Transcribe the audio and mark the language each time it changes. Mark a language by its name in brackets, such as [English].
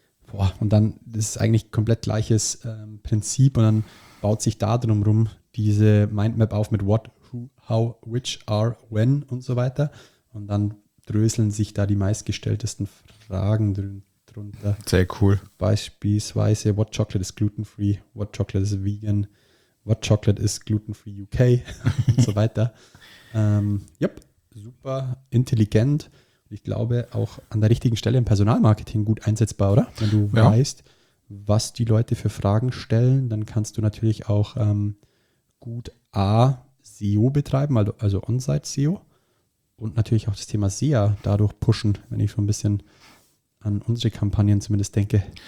[German] Boah, und dann das ist eigentlich komplett gleiches Prinzip und dann baut sich da drumherum diese Mindmap auf mit What, Who, How, Which, Are, When und so weiter. Und dann dröseln sich da die meistgestelltesten Fragen drunter. Sehr cool. Beispielsweise, [English] What Chocolate is gluten-free? What Chocolate is vegan? What Chocolate is gluten-free UK? [German] Und so weiter. Yep, super intelligent. Ich glaube, auch an der richtigen Stelle im Personalmarketing gut einsetzbar, oder? Wenn du weißt, was die Leute für Fragen stellen, dann kannst du natürlich auch gut A, SEO betreiben, also On-Site-SEO und natürlich auch das Thema SEA dadurch pushen, wenn ich so ein bisschen an unsere Kampagnen zumindest denke.